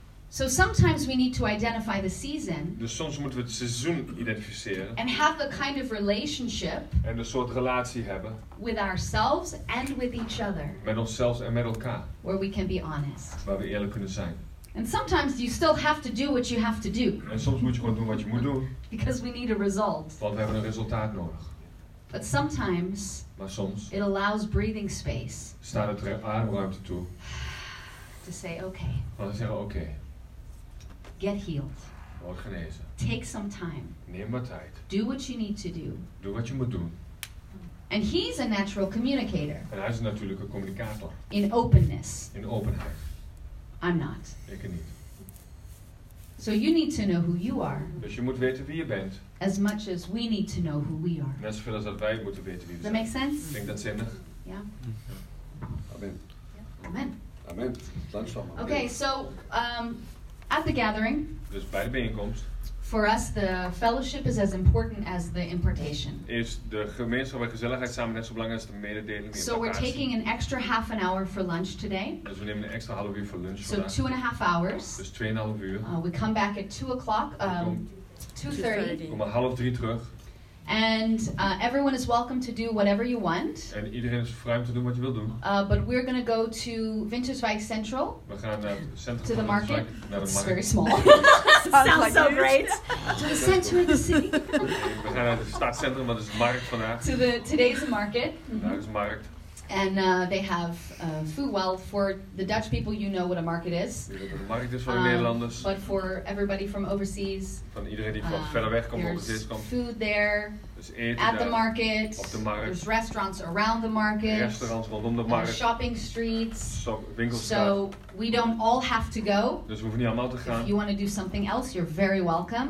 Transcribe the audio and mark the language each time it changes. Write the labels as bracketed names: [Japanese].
[English] So sometimes we need to identify the season. [Dutch] Dus soms moeten we het seizoen identificeren. [English] And have the kind of relationship. [Dutch] En een soort relatie hebben. [English] With ourselves and with each other. [Dutch] Met onszelf en met elkaar. [English] Where we can be honest. [Dutch] Waar we eerlijk kunnen zijn. [English] And sometimes you still have to do what you have to do. [Dutch] En soms moet je gewoon doen wat je moet doen. [English] Because we need a result. [Dutch] Want we hebben een resultaat nodig. [English] But sometimes. [Dutch] Maar soms. [English] It allows breathing space. [Dutch] Staat het er ademruimte toe. [English] To say okay. [Dutch] Want we zeggen okay. [English] Get healed. [Dutch] Word genezen. [English] Take some time. [Dutch] Neem maar tijd. [English] Do what you need to do. [Dutch] Doe wat je moet doen. [English] And he's a natural communicator. [Dutch] En hij is een natuurlijke communicator. [English] In openness. [Dutch] In openheid. [English] I'm not. [Dutch] Ik niet. [English] So you need to know who you are. [Dutch] Dus je moet weten wie je bent. [English] As much as we need to know who we are. [Dutch] Net zoveel als dat wij moeten weten wie we zijn. [English] That makes sense? [Dutch] Ik denk dat zinnig. Ja. Amen. Amen. Amen. [English] Okay, so at the gathering. [Dutch] Dus bij de bijeenkomst. [English] For us, the fellowship is as important as the impartation. [Dutch] Is de gemeenschap en gezelligheid samen net zo belangrijk als de mededeling? [English] So we're taking an extra half an hour for lunch today. [Dutch] Dus we nemen een extra half uur voor lunch vandaag. [English] So 2.5 hours. [Dutch] Dus 2.5 uur. [English] We come back at 2:00. 2:30. [Dutch] Kom maar 2:30 terug. [English] And everyone is welcome to do whatever you want. [Dutch] En iedereen is vrij om te doen wat je wil doen. [English] But we're going to go to Winterswijk Central. [Dutch] We gaan naar het centrum [English] to the [Dutch] van [English] market. [Dutch] Naar [English] it's very small. Sounds like so huge. Great. To the center of the city. [Dutch] We gaan naar het stadcentrum, want het is de markt vandaag. [English] To the today's market. [Dutch] Mm-hmm. Daar is de markt. [English] And they have food. Well, for the Dutch people, you know what a market is. [Dutch] De markt is voor de Nederlanders. [English] But for everybody from overseas. [Dutch] Van iedereen die van verder weg komt, overseas komt. [English] Food there. [Dutch] Dus eten [English] at the market. [Dutch] Op de markt. [English] There's restaurants around the market. [Dutch] Restaurants rondom de markt. [English] Shopping streets. [Dutch] Winkelstraat. [English] So we don't all have to go. [Dutch] Dus we hoeven niet allemaal te gaan. [English] If you want to do something else, you're very welcome.